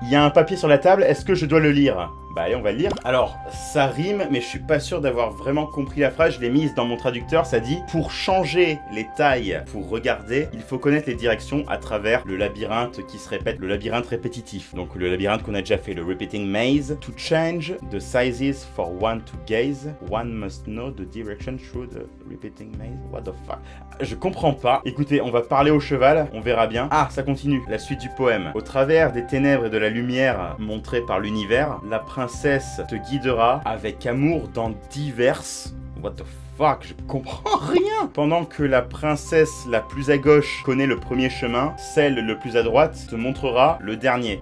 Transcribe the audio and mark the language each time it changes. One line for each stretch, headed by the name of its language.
French: Il y a un papier sur la table, est-ce que je dois le lire? Bah allez, on va le lire. Alors, ça rime, mais je suis pas sûr d'avoir vraiment compris la phrase. Je l'ai mise dans mon traducteur, ça dit « Pour changer les tailles, pour regarder, il faut connaître les directions à travers le labyrinthe qui se répète, le labyrinthe répétitif. » Donc le labyrinthe qu'on a déjà fait, le
English: repeating maze. « To change the sizes for one to gaze, one must know the direction through the repeating maze. » What the fuck?
French: Je comprends pas. Écoutez, on va parler au cheval, on verra bien. Ah, ça continue. La suite du poème. « Au travers des ténèbres et de la lumière montrée par l'univers, la princesse te guidera avec amour dans diverses...
English: What the fuck,
French: je comprends rien. Pendant que la princesse la plus à gauche connaît le premier chemin, celle le plus à droite te montrera le dernier.